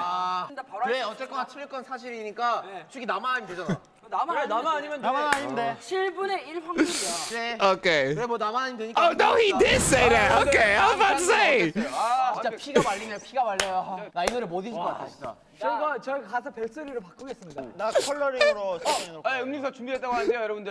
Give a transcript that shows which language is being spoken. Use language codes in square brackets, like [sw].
[ko] 아, 그래, 어쩔 거나 틀릴 건 사실이니까 솔직히 네. 나만 하면 되잖아. 나만, 그래, 나만 아니면 돼. 나만 아니면 돼. 7분의 1 확률이야. 네. 오케이. 그래, 뭐 나만 아니면 되니까. [en] Oh, no, he did say that. 아, okay, I was about to say. 아, [ko] 진짜 피가 말리네, 피가 말려요. 나 이 노래 못 잊을 것 같아, 진짜. 저희가 저희 가사 벨소리로 바꾸겠습니다. 나 컬러링으로 사진으로. 어, 음료수 준비했다고 하는데요, 여러분들.